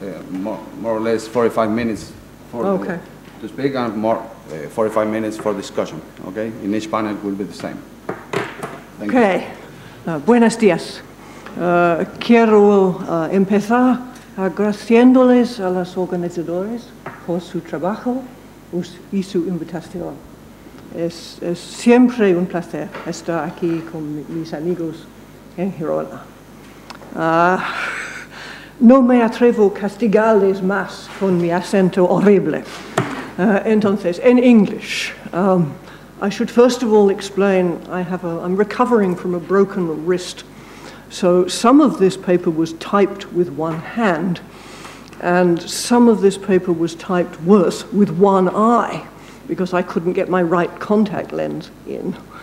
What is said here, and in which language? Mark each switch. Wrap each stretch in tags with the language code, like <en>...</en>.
<en>More or less 45 minutes for to speak, and more 45 minutes for discussion. Okay, in each panel will be the same. Thank okay.</en> <es>Buenos días. Quiero empezar agradeciéndoles a los organizadores por su trabajo y su invitación. Es siempre un placer estar aquí con mis amigos en Girona. No me atrevo a castigarles más con mi acento horrible. Entonces, en inglés.</es> <en>I should first of all explain, I'm recovering from a broken wrist. So some of this paper was typed with one hand, and some of this paper was typed worse with one eye, because I couldn't get my right contact lens in.</en>